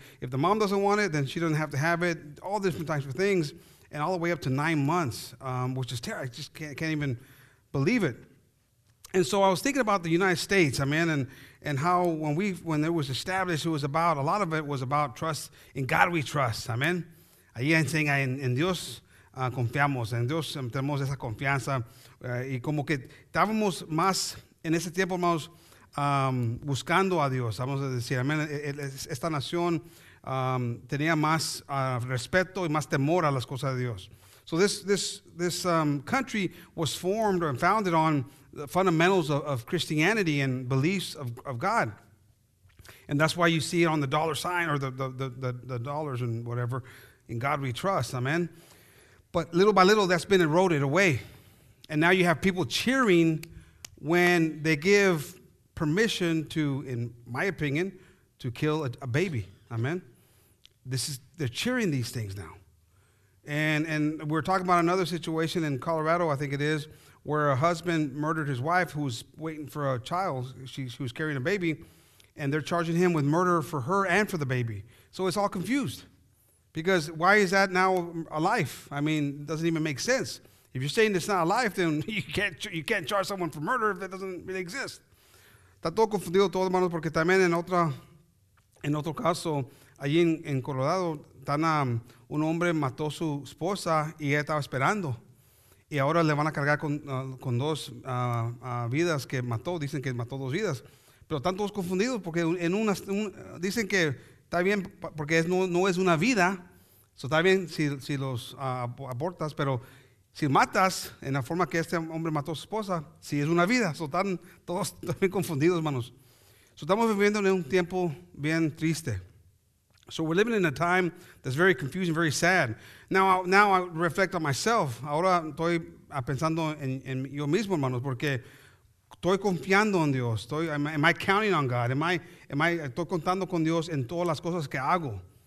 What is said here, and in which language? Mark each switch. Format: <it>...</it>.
<en>If the mom doesn't want it, then she doesn't have to have it, all different types of things, and all the way up to 9 months, which is terrible. I just can't even believe it. And so I was thinking about the United States, amen, and how when it was established, it was about, a lot of it was about trust, in God we trust, amen.</en> <es>Ahí en saying, en Dios confiamos, en Dios tenemos esa confianza. Y como que estábamos más en ese tiempo, hermanos, buscando a Dios, vamos a decir, amen. Esta nación tenía más respeto y más temor a las cosas de Dios.</es> <en>So this country was formed and founded on the fundamentals of Christianity and beliefs of God. And that's why you see it on the dollar sign or the dollars and whatever, in God we trust, amen? But little by little, that's been eroded away. And now you have people cheering when they give permission to, in my opinion, to kill a baby, amen? They're cheering these things now. And we're talking about another situation in Colorado, I think it is, where a husband murdered his wife who was waiting for a child. She was carrying a baby, and they're charging him with murder for her and for the baby. So it's all confused. Because why is that now a life? I mean, it doesn't even make sense. If you're saying it's not a life, then you can't charge someone for murder if it doesn't really exist.</en> <es>Está todo confundido todo, hermanos, porque también en otro caso, allí en Colorado, un hombre mató su esposa y ella estaba esperando. Y ahora le van a cargar con dos vidas que mató. Dicen que mató dos vidas. Pero están todos confundidos porque dicen que está bien porque no es una vida. So está bien si los abortas, pero si matas en la forma que este hombre mató a su esposa, sí es una vida. So están todos también confundidos, hermanos. So estamos viviendo en un tiempo bien triste.</es> <en>So we're living in a time that's very confusing, very sad. Now I reflect on myself.</en> <es>Ahora estoy pensando en yo mismo, hermanos, porque estoy confiando en Dios.</es> <en>Am I counting on God? Am I</en> <es>estoy contando con Dios en todas las cosas que hago.</es>